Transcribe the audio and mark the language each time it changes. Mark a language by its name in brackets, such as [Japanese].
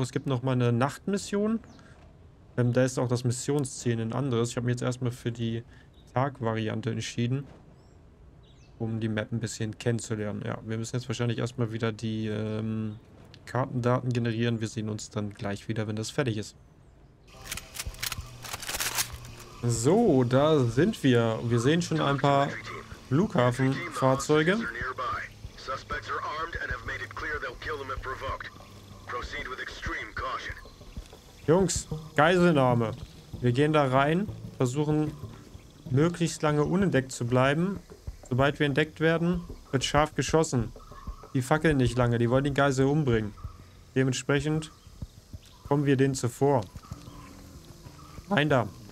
[German] Es gibt nochmal eine Nachtmission. Da ist auch das Missionsziel ein anderes. Ich habe mich jetzt erstmal für die Tagvariante entschieden, um die Map ein bisschen kennenzulernen. Ja, wir müssen jetzt wahrscheinlich erstmal wieder die Kartendaten generieren. Wir sehen uns dann gleich wieder, wenn das fertig ist. So, da sind wir. Wir sehen schon ein paar Flughafenfahrzeuge. [English] Suspects are armed and have made it clear they'll kill them if provoked. Proceed with extreme caution. [German] Jungs, Geiselnahme. Wir gehen da rein, versuchen möglichst lange unentdeckt zu bleiben. Sobald wir entdeckt werden, wird scharf geschossen. Die fackeln nicht lange, die wollen die Geisel umbringen. Dementsprechend kommen wir denen zuvor. Rein da.